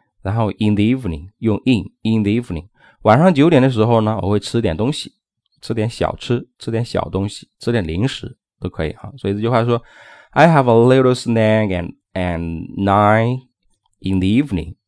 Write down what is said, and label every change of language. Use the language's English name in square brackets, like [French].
[English] 然后 in the evening, 用 in the evening. [Chinese] 晚上九点的时候呢，我会吃点东西。吃点小吃，吃点小东西，吃点零食都可以啊。 [English] 所以这句话说 ,I have a little snack and nine in the evening.